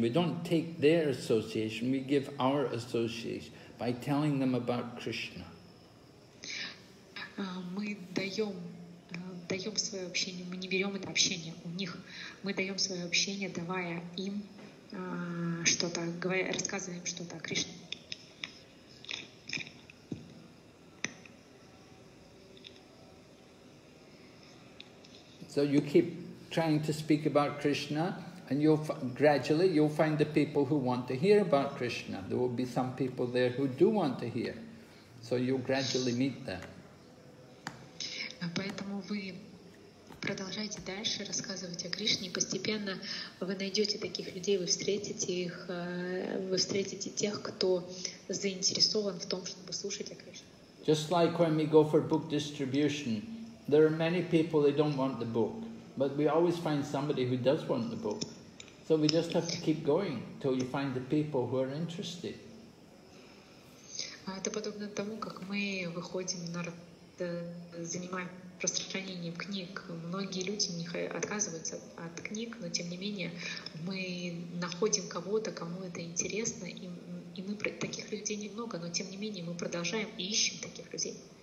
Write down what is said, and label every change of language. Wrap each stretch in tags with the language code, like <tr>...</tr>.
<en>We don't take their association, we give our association by telling them about Krishna.</en> <ru>Мы даем свое общение, мы не берем это общение у них. Мы даем свое общение, давая им что-то, рассказывая им что-то о Кришне.</ru> <en>So you keep trying to speak about Krishna, and you'll gradually find the people who want to hear about Krishna. There will be some people there who do want to hear. So you'll gradually meet them.</en> <ru>Поэтому вы продолжаете дальше рассказывать о Кришне, и постепенно вы найдете таких людей, вы встретите тех, кто заинтересован в том, чтобы слушать о Кришне.</ru> <en>Just like when we go for book distribution, there are many people who don't want the book, but we always find somebody who does want the book. So we just have to keep going till you find the people who are interested.</en> <ru>Это подобно тому, как мы выходим на занимаем распространением книг. Многие люди отказываются от книг, но тем не менее мы находим кого-то, кому это интересно, и мы таких людей немного, но тем не менее мы продолжаем и ищем таких людей.</ru>